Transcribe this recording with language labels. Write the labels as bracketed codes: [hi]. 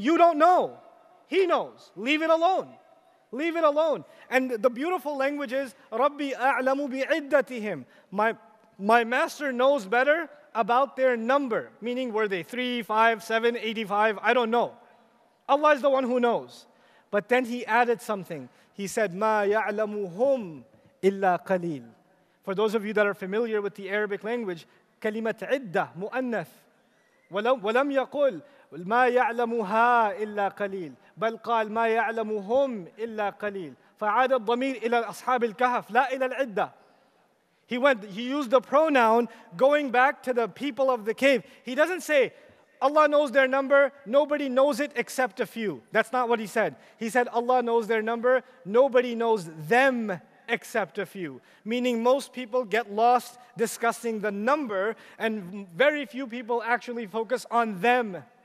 [en] You don't know. He knows. Leave it alone. Leave it alone. And the beautiful language is [ar] Rabbi A'lamu bi'iddatihim. [en] My master knows better about their number, meaning were they 3, 5, 7, 85, I don't know. Allah is the one who knows. But then He added something. He said, [ar] مَا يَعْلَمُهُمْ إِلَّا قَلِيلٌ. [en] For those of you that are familiar with the Arabic language, [ar] كَلِمَةْ عِدَّةٌ مُؤَنَّثٌ وَلَمْ يَقُلْ مَا يَعْلَمُهَا إِلَّا قَلِيلٌ بَلْ قَالْ مَا يَعْلَمُهُمْ إِلَّا قَلِيلٌ فَعَادَ الضَّمِيرُ إِلَى أَصْحَابِ الْكَهَفِ لَا إِلَى الْعِدَّةِ. [en] He used the pronoun going back to the people of the cave. He doesn't say, Allah knows their number, nobody knows it except a few. That's not what he said. He said, Allah knows their number, nobody knows them except a few. Meaning most people get lost discussing the number and very few people actually focus on them.